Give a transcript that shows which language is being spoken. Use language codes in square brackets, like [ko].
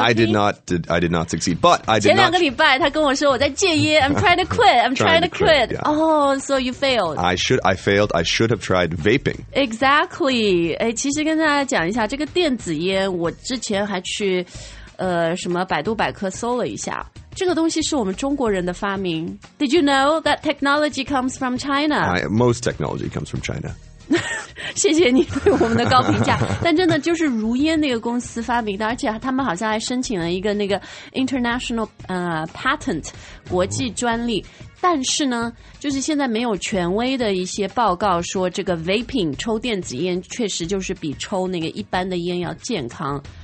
[en] I did not succeed, but I did not. [zh] 前两个礼拜他跟我说我在戒烟。 [en] I'm trying to quit. I'm trying to quit. Yeah. Oh, so you failed. I failed. I should have tried vaping. Exactly. [zh] 其实跟大家讲一下，这个电子烟，我之前还去，什么百度百科搜了一下，这个东西是我们中国人的发明。 [en] Did you know that technology comes from China? Most technology comes from China. [zh] 谢谢你对我们的高评价。但真的就是如烟那个公司发明的，而且他们好像还申请了一个那个 [en] international patent [zh] 国际专利。但是呢，就是现在没有权威的一些报告说这个 vaping 抽电子烟确实就是比抽那个一般的烟要健康。